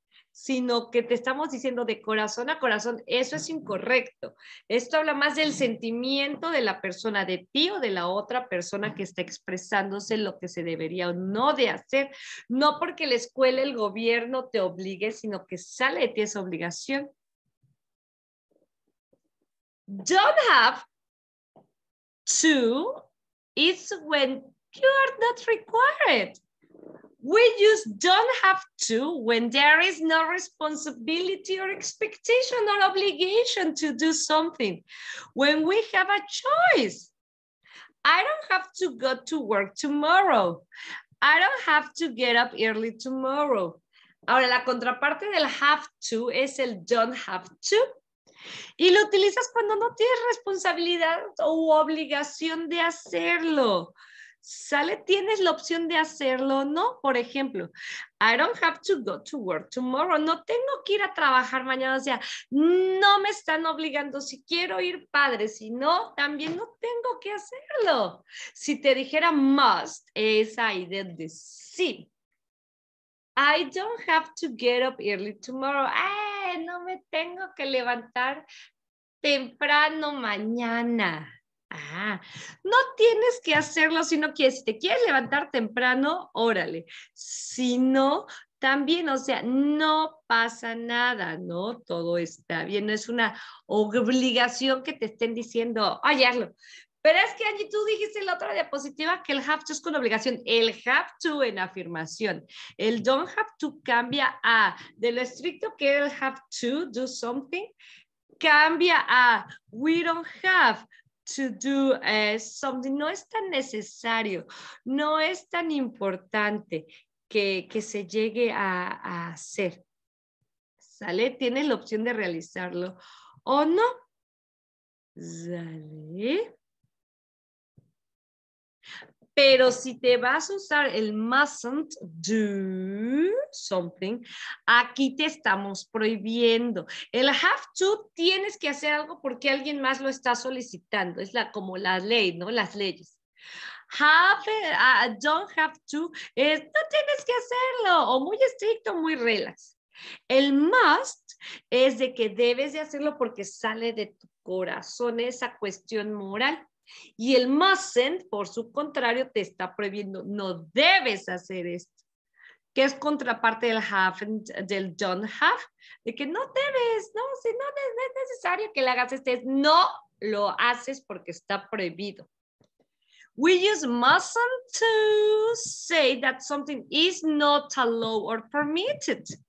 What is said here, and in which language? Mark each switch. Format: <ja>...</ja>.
<es>Sino que te estamos diciendo de corazón a corazón, eso es incorrecto. Esto habla más del sentimiento de la persona, de ti o de la otra persona que está expresándose lo que se debería o no de hacer. No porque la escuela, el gobierno te obligue, sino que sale de ti esa obligación.</es> <en>Don't have to is when you are not required. We use don't have to when there is no responsibility or expectation or obligation to do something. When we have a choice. I don't have to go to work tomorrow. I don't have to get up early tomorrow.</en> <es>Ahora, la contraparte del have to es el don't have to. Y lo utilizas cuando no tienes responsabilidad o obligación de hacerlo. Sale, tienes la opción de hacerlo, ¿no? Por ejemplo,</es> <en>I don't have to go to work tomorrow.</en> <es>No tengo que ir a trabajar mañana. O sea, no me están obligando. Si quiero ir, padre. Si no, también no tengo que hacerlo. Si te dijera must, es ahí de sí.</es> <en>I don't have to get up early tomorrow.</en> <es>No me tengo que levantar temprano mañana. No tienes que hacerlo si no quieres. Si te quieres levantar temprano, órale. Si no, también, o sea, no pasa nada, ¿no? Todo está bien. No es una obligación que te estén diciendo, oye, hazlo. Pero es que, Angie, tú dijiste en la otra diapositiva que el have to es con obligación. El have to en afirmación. El don't have to cambia a, de lo estricto que el</es> <en>have to do something,</en> <es>cambia a</es> <en>we don't have to do something.</en> <es>No es tan necesario, no es tan importante que se llegue a hacer. ¿Sale? Tienes la opción de realizarlo o no. ¿Sale? Pero si te vas a usar el</es> <en>mustn't do something,</en> <es>aquí te estamos prohibiendo. El have to, tienes que hacer algo porque alguien más lo está solicitando. Es la, como la ley, ¿no? Las leyes. Have, don't have to, no tienes que hacerlo. O muy estricto, muy relax. El must es de que debes de hacerlo porque sale de tu corazón esa cuestión moral. Y el mustn't, por su contrario, te está prohibiendo. No debes hacer esto. Que es contraparte del have and del don't have. De que no debes, no, si no, no es necesario que le hagas este. No lo haces porque está prohibido.</es> <en>We use mustn't to say that something is not allowed or permitted.</en>